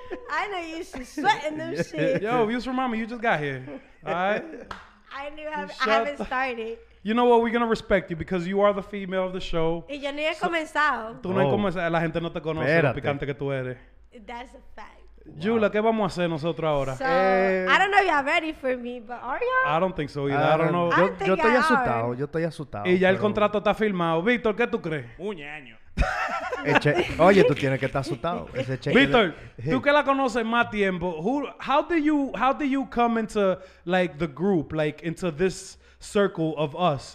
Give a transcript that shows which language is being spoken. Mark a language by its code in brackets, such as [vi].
[en] I know you should sweat in them shit. Yo, views from mommy, you just got here. I haven't started. You know what? We're going to respect you because you are the female of the show. [es] Y yo ni he comenzado. Tú no has comenzado. La gente no te conoce lo picante que tú eres. [en] That's a fact. [es] Yula, ¿qué vamos a hacer nosotros ahora? [en] So, I don't know if you're ready for me, but are you? I don't think so either. I don't know. [es] Yo estoy asustado. Y ya el contrato está firmado. Víctor, ¿qué tú crees? Un año. Oye, tú tienes que estar asustado. Ese cheque. [en] Víctor, [es] tú que la conoces más tiempo, [en] how do you come into like the group, like into this circle of us?